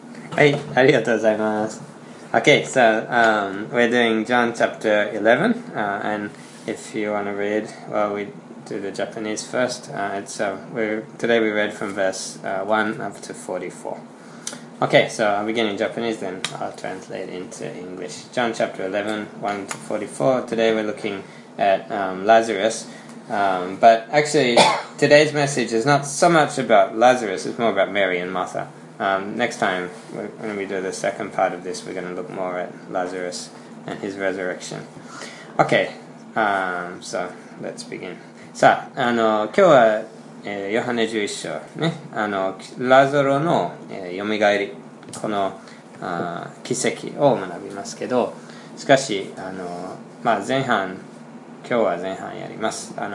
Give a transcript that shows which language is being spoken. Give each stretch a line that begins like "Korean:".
Japanese: はい、ありがとうございます。
English: Okay, so, we're doing John chapter 11, and if you want to read, well, we do the Japanese first. Today we read from verse 1 up to 44. Okay, so I'll begin in Japanese, then I'll translate into English. John chapter 11, 1 to 44. Today we're looking at Lazarus. But actually, today's message is not so much about Lazarus, it's more about Mary and Martha. Next time, when we do the second part of this, we're going to look more at Lazarus and his resurrection. Okay, so let's begin.
Japanese: さあ、今日は、ヨハネ11章、ね、ラザロの、蘇り、この奇跡を学びますけど、しかし、前半、今日は前半やります。